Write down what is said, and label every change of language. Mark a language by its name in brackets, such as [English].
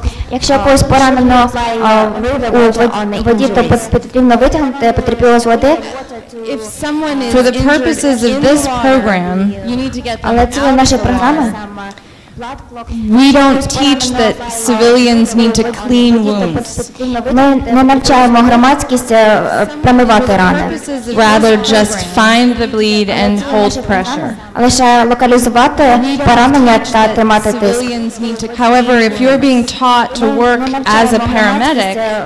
[Ukrainian] Якщо когось поранено у воді, то потрібно витягнути потерпілого з води, [English] If someone is for the purposes of this program, you need to get them out of the water. We don't teach that civilians need to clean wounds. [Ukrainian] Ми не навчаємо громадськість промивати рани. [English] Rather just find the bleed and hold pressure. [Ukrainian] Лише локалізувати поранення та тримати тиск. [English] However, if you're being taught to work as a paramedic,